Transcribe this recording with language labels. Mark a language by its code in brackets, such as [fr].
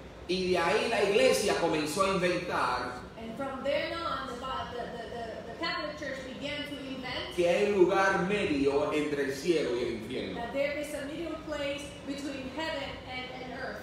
[es] Y de ahí la iglesia comenzó a inventar, [en] and from there on the Catholic Church began to invent, [es] que hay lugar medio entre el cielo y el infierno, [en] that there is a middle place between heaven and earth.